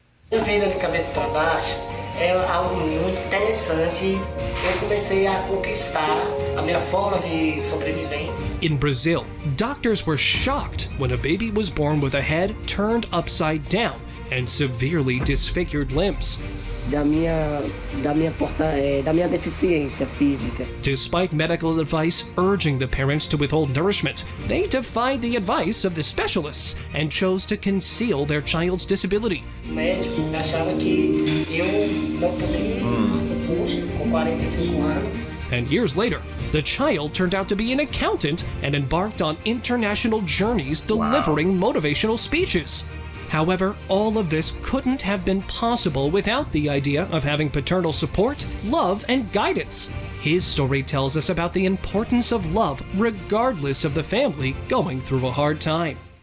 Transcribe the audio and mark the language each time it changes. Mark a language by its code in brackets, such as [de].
[pt] Eu vendo de cabeça para baixo, é algo muito interessante. Eu comecei a conquistar a minha forma de sobrevivência. [en] In Brazil, doctors were shocked when a baby was born with a head turned upside down and severely disfigured limbs. [pt] Da minha deficiência física. [en] Despite medical advice urging the parents to withhold nourishment, they defied the advice of the specialists and chose to conceal their child's disability. [pt] O médico achava que eu não poderia com 45 anos. [en] And years later, The child turned out to be an accountant and embarked on international journeys delivering motivational speeches. However, all of this couldn't have been possible without the idea of having paternal support, love, and guidance. His story tells us about the importance of love, regardless of the family going through a hard time.